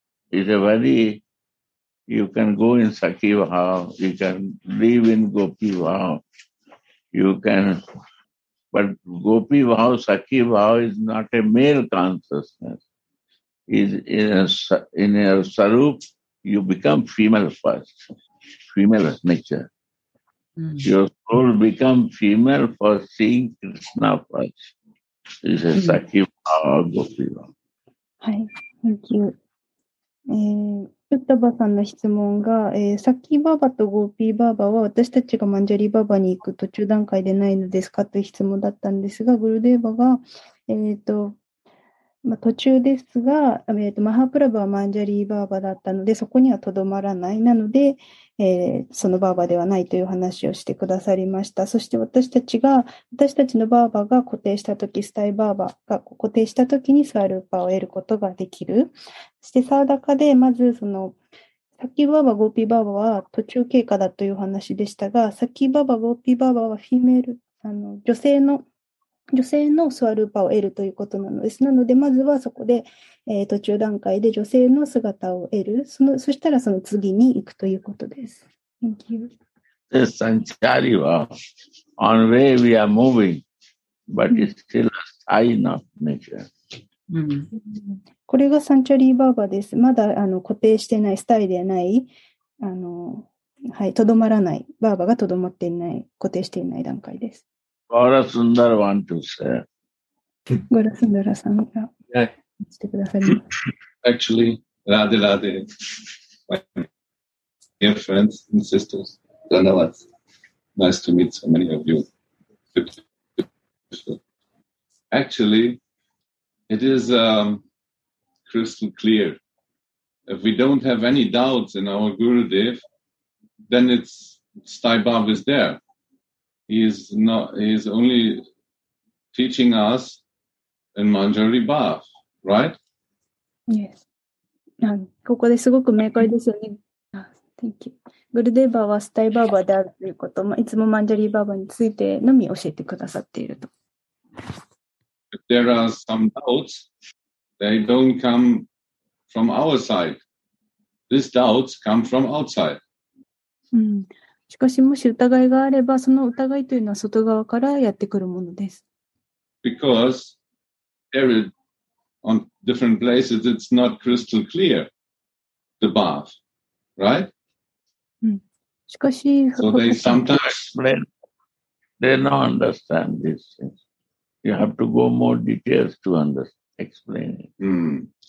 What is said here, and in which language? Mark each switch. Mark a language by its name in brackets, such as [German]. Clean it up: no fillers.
[English] is a very, you can go in Sakhi Bhav, you can live in Gopi Bhav, you can, but Gopi Bhav, Sakhi Bhav is not a male consciousness. Is in a sarup, you become female first, female nature. Mm-hmm. Your soul become female for seeing Krishna first. This is Sakhi Bhav, Gopi Bhav. Hi, thank you. [Japanese] ヒュッタバさんの質問が、サッキーバーバーとゴーピーバーバーは私たちがマンジャリバーバーに行く途中段階でないのですかという質問だったんですが、グルデーバが、まあ、途中ですが、マハプラブはマンジャリバーバーだったのでそこにはとどまらない、なので、そのバーバーではないという話をしてくださりました。そして私たちのバーバーが固定したとき、スタイバーバーが固定したときにスワルーパーを得ることができる。そしてサーダカでまずそのサッキーバーバー、ゴーピーバーバーは途中経過だという話でしたが、サッキーバーバー、ゴーピーバーバーはフィメール、女性のスワルーパーを得るということなのです。なので、まずはそこで、途中段階で女性の姿を得る。そしたらその次に行くということです。 [English] Thank you. The Sanchari was on way we are moving, but it's still a sign of nature. [Japanese] これがサンチャリーバーバーです。まだ固定してない、スタイではない、はい、とどまらない、バーバーがとどまっていない、固定していない段階です。 [English] Gaura Sundara want to say. Gaura Sundara san. Yeah. Actually, Radhe Radhe. My dear friends and sisters, Dhanavad. Nice to meet so many of you. Actually, it is crystal clear. If we don't have any doubts in our Gurudev, then it's Stai Bhav is there. He is only teaching us in Manjari Bhav, right? Yes. [Japanese] ここですごく明快ですよね。 [English] Thank you. [Japanese] グルデーバーはスタイバーバーであるということ、いつもマンジャリーバーバーについてのみ教えてくださっていると。 [English] If there are some doubts, they don't come from our side. These doubts come from outside. [Japanese] しかしもし疑いがあれば、その疑いというのは外側からやってくるものです。 [English] Because there is, on different places, it's not crystal clear, the bath, right? [Japanese] しかし、 [English] So they sometimes explain, they don't understand this. You have to go more details to explain it.